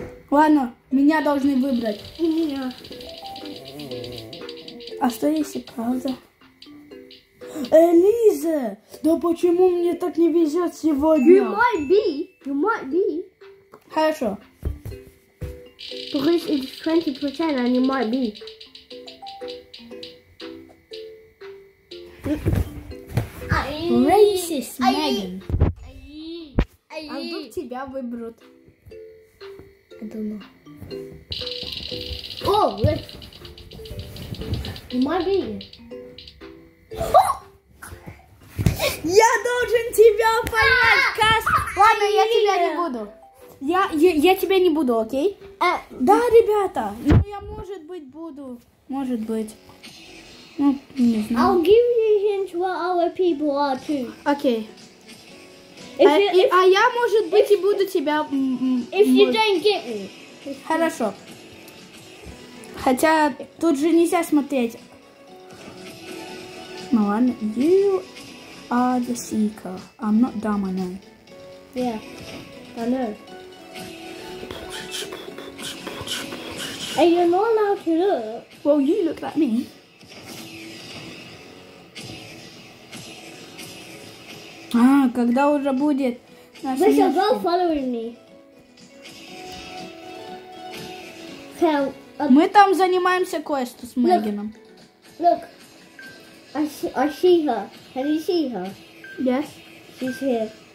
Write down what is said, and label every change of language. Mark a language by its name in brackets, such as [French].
[Russian] Ладно, меня должны выбрать. Меня. А что если правда? Элиза! Да почему мне так не везет сегодня? [English] You might be. [Russian] Хорошо. [English] Because it's 20% and you might be. Racist Megan. [Russian] А вдруг тебя выберут? [English] I don't know. Oh, wait. You might be. [Russian] Я должен тебя поймать, Кас. Ладно, я тебя не буду. Я тебя не буду, окей? Да, ребята. Ну, я, может быть, буду. Может быть. Ну, не знаю. [English] I'll give you a hint where other people are, too. [Russian] Окей. А я, может быть, и буду тебя... [English] If you don't get me. [Russian] Хорошо. Хотя тут же нельзя смотреть. Ну, ладно. [English] You are the seeker. I'm not dominant. Yeah. I know. And you're not allowed to look. Well, you look like me. [Russian] А, когда уже будет? [English] There's a girl following me. So, [Russian] мы там занимаемся квесту с Мэгином. [English] Look. I see her. Can you see her? Yes. She's here. Yeah.